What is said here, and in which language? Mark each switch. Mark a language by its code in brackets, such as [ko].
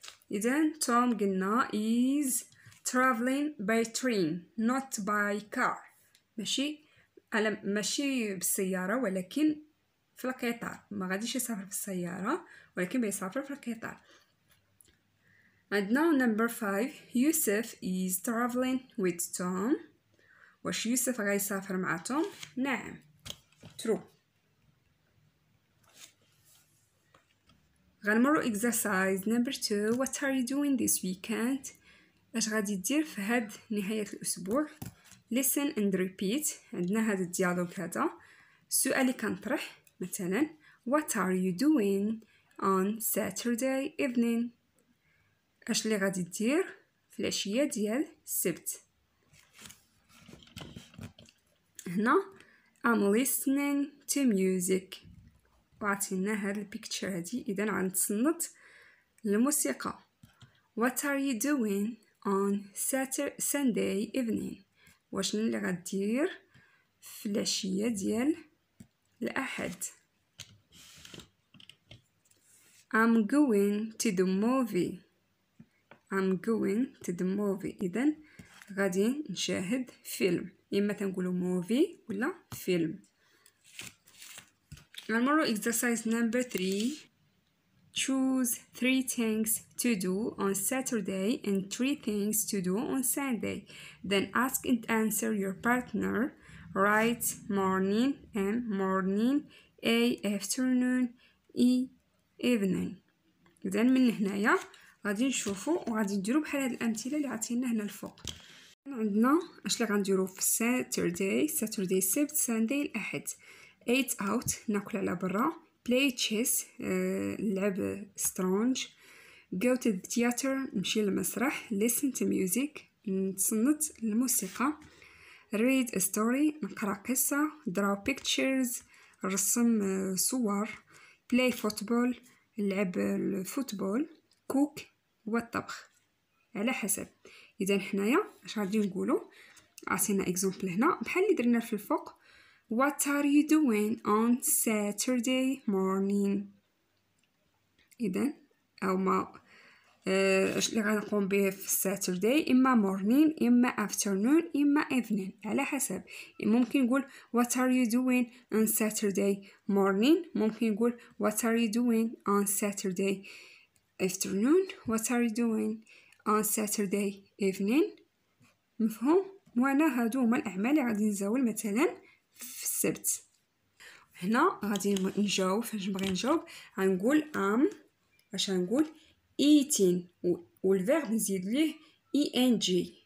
[ar] اذا توم قلنا [en] is traveling by train not by car, [ar] ماشي على ماشي بالسياره ولكن في القطار, ما غاديش يسافر في السياره ولكن بيسافر في القطار. [en] And now number 5, Yusuf is traveling with Tom. [ar] واش يوسف غا يسافر مع توم؟ نعم. [en] True. غنمرو exercise number 2, what are you doing this weekend? [ar] اش غادي دير في هاد نهاية الأسبوع؟ [en] Listen and repeat. [ar] عندنا هاد الديالوج هذا. سؤالي كنطرح مثلا [en] what are you doing on Saturday evening? [ar] اش اللي غادي دير في العشيه ديال السبت؟ هنا [en] I'm listening to music, [ar] وعطينا هاد البيكتشر هادي. اذا غنتصنت للموسيقى. [en] What are you doing on Saturday Sunday evening, [ar] واش اللي غادي دير في العشيه ديال الاحد؟ [en] I'm going to the movie, I'm going to the movie. [ar] إذن غادي نشاهد فيلم, إما تنقولو موفي ولا فيلم. [en] نمرو exercise number 3, choose 3 things to do on Saturday and 3 things to do on Sunday, then ask and answer your partner, write morning and morning, A afternoon, E evening. [ar] إذن من هنايا غادي نشوفو وغادي نديرو بحال هاد الامثله اللي عطينا هنا الفوق. عندنا اش اللي غنديرو في ساتردي؟ ساتردي سبت ساندي الاحد. [en] eat out [ar] ناكل على برا, [en] play chess [ar] لعب سترونج, [en] go to theatre [ar] نمشي للمسرح, [en] listen to music [ar] نتصنت الموسيقى, [en] read a story [ar] نقرا قصه, [en] draw pictures [ar] رسم صور, [en] play football [ar] لعب الفوتبول, كوك والطبخ على حسب. اذا حنايا اش غادي نقولوا؟ عطينا اكزومبل هنا بحال اللي درنا في الفوق. [en] What are you doing on Saturday morning? [ar] اذا او ما اش اللي غنقوم به في الساتردي، اما مورنين اما افترنون اما ايفنين، على حسب. ممكن نقول [en] what are you doing on Saturday morning، ممكن نقول what are you doing on Saturday afternoon، what are you doing on Saturday evening. [ar] مفهوم؟ وانا هادو هما الاعمال اللي غادي نزاول مثلا في السبت. هنا غادي نجاوب، فاش نبغي نجاوب غنقول ام، باش نقول eating، والverb نزيد ليه ing.